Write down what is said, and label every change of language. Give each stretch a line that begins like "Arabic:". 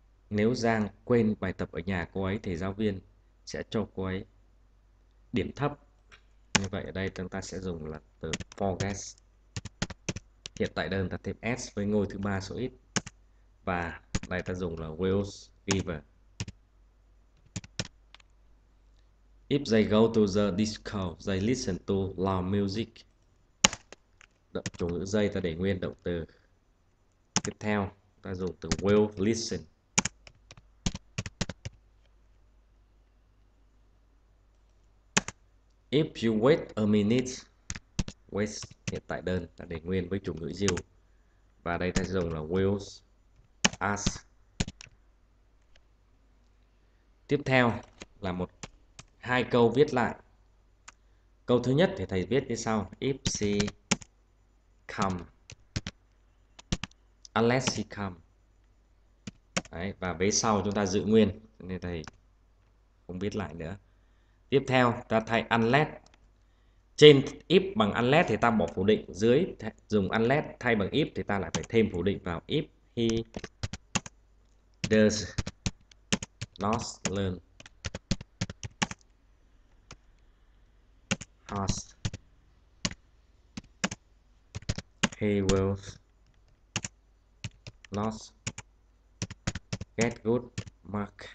Vietnamese: Nếu Giang quên bài tập ở nhà cô ấy thì giáo viên sẽ cho cô ấy điểm thấp. Như vậy ở đây chúng ta sẽ dùng là từ forget. Hiện tại đơn ta thêm s với ngôi thứ ba số ít. Và đây ta dùng là
English: will give. If they go to the disco, they listen to loud music.
Vietnamese: Động chủ ngữ they ta để nguyên động từ. Tiếp theo ta dùng từ
English: will listen. If you wait a minute,
Vietnamese: wait hiện tại đơn ta để nguyên với chủ ngữ you. Và đây ta dùng là
English: will ask.
Vietnamese: Tiếp theo là một hai câu viết lại. Câu thứ nhất thì thầy viết như sau:
English: if she come, unless she come.
Vietnamese: Đấy, và vế sau chúng ta giữ nguyên nên thầy không viết lại nữa. Tiếp theo ta thay unless. Trên if bằng unless thì ta bỏ phủ định, dưới dùng unless thay bằng if thì ta lại phải thêm phủ định vào.
English: If he does not learn fast, he will not get good mark.